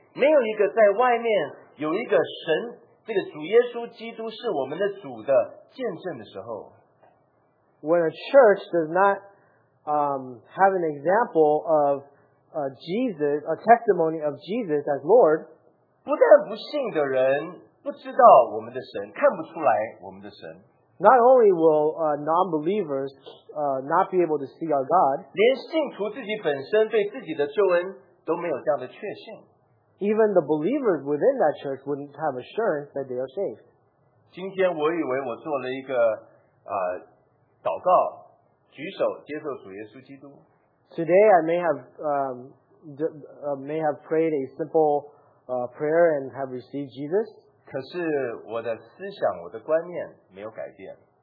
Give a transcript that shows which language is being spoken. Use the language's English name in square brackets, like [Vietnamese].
[Chinese] 当一个属于神的教会没有一个在外面有一个神, 这个主耶稣基督是我们的主的见证的时候, [English] when a church does not have an example of Jesus, a testimony of Jesus as Lord, [Chinese] 不但不信的人, 不知道我们的神, 看不出来我们的神, [English] not only will non-believers not be able to see our God, [Chinese] 连信徒自己本身对自己的救恩都没有这样的确信, [English] even the believers within that church wouldn't have assurance that they are saved. [Chinese] 今天我以为我做了一个, 祷告, 举手接受主耶稣基督, [English] today I may have prayed a simple prayer and have received Jesus. [Chinese] 可是我的思想我的观念没有改变,